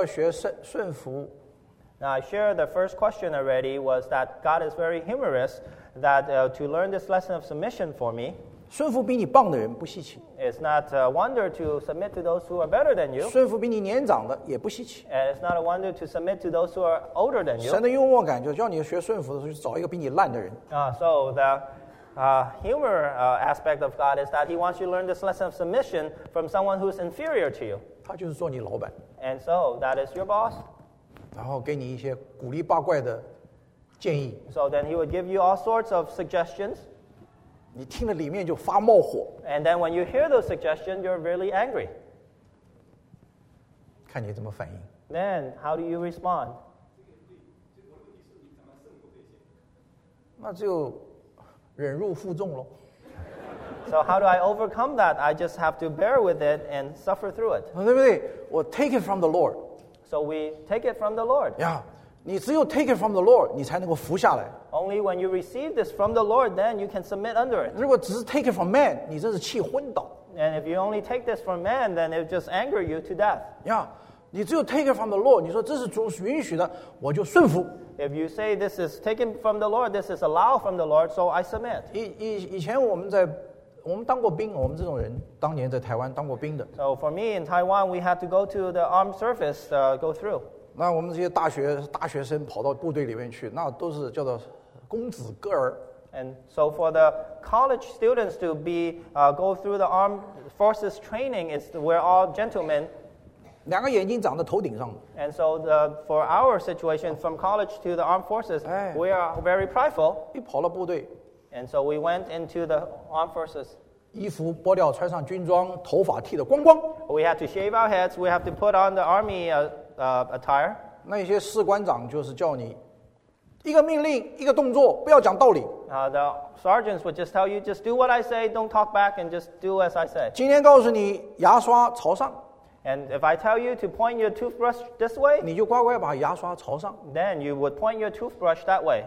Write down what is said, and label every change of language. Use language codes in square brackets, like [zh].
[zh] 第一个问题我刚刚其实是讲了，我说神是很有幽默感的。我说要学顺服。Now [en] I share the first question already was that God is very humorous. That to learn this lesson of submission for me. [zh] 顺服比你棒的人不稀奇。It's [en] not a wonder to submit to those who are better than you. [zh] 顺服比你年长的也不稀奇。And [en] it's not a wonder to submit to those who are older than you. [zh] 神的幽默感就叫你学顺服的时候去找一个比你烂的人。So [en] the humor aspect of God is that he wants you to learn this lesson of submission from someone who's inferior to you. [zh] 他就是做你老板。And [en] so that is your boss. [zh] 然后给你一些鼓励八卦的建议。So [en] then he would give you all sorts of suggestions. [zh] 你听了里面就发冒火。And [en] then when you hear those suggestions, you're really angry. [zh] 看你怎么反应。Then [en] how do you respond? [zh] 那就 忍辱负重咯。So [en] how do I overcome that? I just have to bear with it and suffer through it. [zh] 对不对？我 [en] take it from the Lord. So we take it from the Lord. [zh] Yeah, 你只有 [en] take it from the Lord, [zh] 你才能够服下来。Only [en] when you receive this from the Lord, then you can submit under it. [zh] 如果只是 [en] take it from man, [zh] 你真是气昏倒。And [en] if you only take this from man, then it just anger you to death. [zh] Yeah, 你只有 [en] take it from the Lord, [zh] 你说这是主允许的，我就顺服。 [en] If you say this is taken from the Lord, this is allowed from the Lord, so I submit. [zh] 以前我们当过兵，我们这种人当年在台湾当过兵的。So [en] for me in Taiwan, we had to go to the armed service, go through. [zh] 那我们这些大学生跑到部队里面去，那都是叫做公子哥儿。 [en] And so for the college students to be go through the armed forces training is we're all gentlemen. [zh] 两个眼睛长在头顶上。 [en] And so for our situation from college to the armed forces, we are very prideful. [zh] 一跑了部队。 [en] And so we went into the armed forces. [zh] 衣服剥掉，穿上军装，头发剃得光光。 [en] We had to shave our heads. We have to put on the army attire. [zh] 那些士官长就是叫你。一个命令，一个动作，不要讲道理。 [en] The sergeants would just tell you, just do what I say, don't talk back, and just do as I say. [zh] 今天告诉你，牙刷朝上。 [en] And if I tell you to point your toothbrush this way, [zh] 你就乖乖把牙刷朝上。 [en] Then you would point your toothbrush that way.